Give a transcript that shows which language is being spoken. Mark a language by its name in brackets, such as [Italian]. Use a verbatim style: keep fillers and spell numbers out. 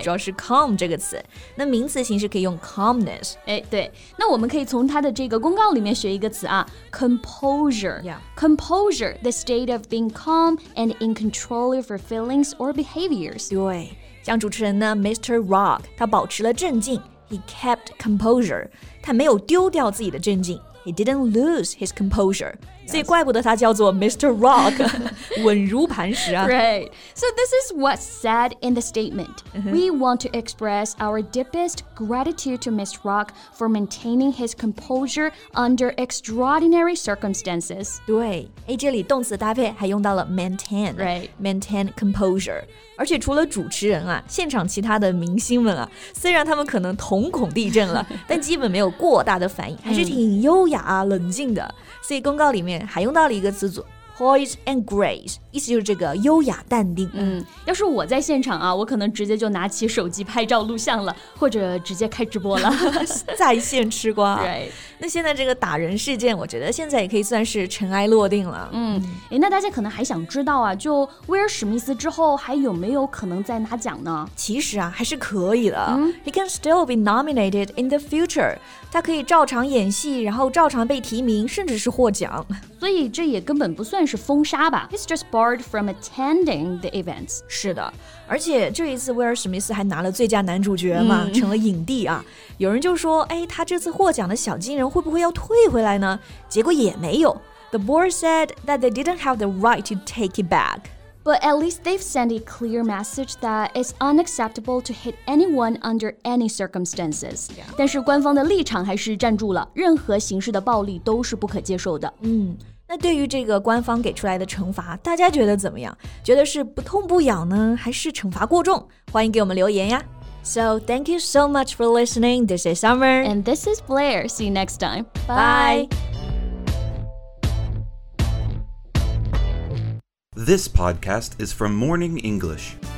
[Chinese] 主要是 calm 这个词，那名词形式可以用 calmness。哎，对，那我们可以从他的这个公告里面学一个词啊 composure、 [English] yeah. composure the state of being calm and in control of for feelings or behaviors. [Chinese] 对，像主持人呢 Mister Rock 他保持了镇静 [English] He kept composure， [Chinese] 他没有丢掉自己的镇静 [English] He didn't lose his composure、yes. [Chinese] 所以怪不得他叫做 Mister Rock 稳如磐石啊。 [English] Right. So this is what's said in the statement、mm-hmm. We want to express our deepest gratitude to Mister Rock for maintaining his composure under extraordinary circumstances. [Chinese] 对，这里动词搭配还用到了 maintain、 [English] right. maintain composure。 [Chinese] 而且除了主持人啊，现场其他的明星们啊，虽然他们可能瞳孔地震了，但基本没有过大的反应，还是挺优雅、啊、冷静的。所以公告里面还用到了一个词组 [English] poise and grace， [Chinese] 意思就是这个优雅淡定。嗯，要是我在现场啊，我可能直接就拿起手机拍照录像了，或者直接开直播了，在线吃瓜、 [English] 啊。Right. [Chinese] 那现在这个打人事件，我觉得现在也可以算是尘埃落定了。嗯，哎，那大家可能还想知道啊，就威尔史密斯之后还有没有可能再拿奖呢？其实啊，还是可以的。 [English] 嗯、He can still be nominated in the future。 [Chinese] 他可以照常演戏，然后照常被提名，甚至是获奖。所以这也根本不算是封杀吧。 [English] He's just barred from attending the events. [Chinese] 是的，而且这一次威尔史密斯还拿了最佳男主角嘛、嗯、成了影帝啊。有人就说哎，他这次获奖的小金人会不会要退回来呢？结果也没有。 [English] The board said that they didn't have the right to take it back. But at least they've sent a clear message that it's unacceptable to hit anyone under any circumstances. Yeah. [Chinese] 但是官方的立场还是站住了，任何形式的暴力都是不可接受的。嗯，那对于这个官方给出来的惩罚，大家觉得怎么样？觉得是不痛不痒呢，还是惩罚过重？欢迎给我们留言呀。 [English] So thank you so much for listening. This is Summer. And this is Blair. See you next time. Bye. Bye. This podcast is from Morning English.